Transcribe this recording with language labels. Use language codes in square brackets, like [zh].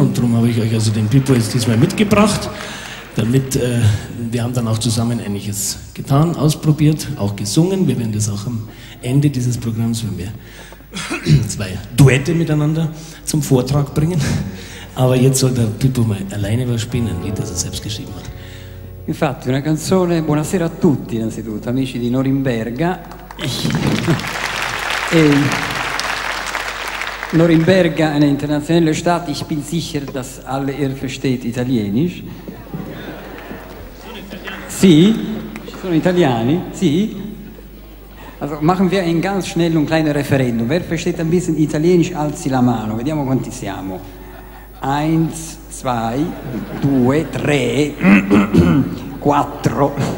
[de] Und darum habe ich euch also den Pippo jetzt diesmal mitgebracht, damit wir haben dann auch zusammen einiges getan, ausprobiert, auch gesungen. Wir werden das auch am Ende dieses Programms, wenn wir zwei Duette miteinander zum Vortrag bringen. Aber jetzt soll der Pippo mal alleine was spielen, ein Lied, das er selbst geschrieben hat. [it] Infatti, una canzone. Buonasera a tutti, innanzitutto, amici di Norimberga. Norimberga è una internazionale Stadt. [de] Ich bin sicher, dass alle ihr versteht italienisch. [it] Sì, ci sono italiani, sì. [de] Also machen wir ein ganz schnell und kleines Referendum. Wer versteht ein bisschen italienisch, [it] alzi la mano. Vediamo quanti siamo. [de] Eins, zwei, [it] due, tre, quattro.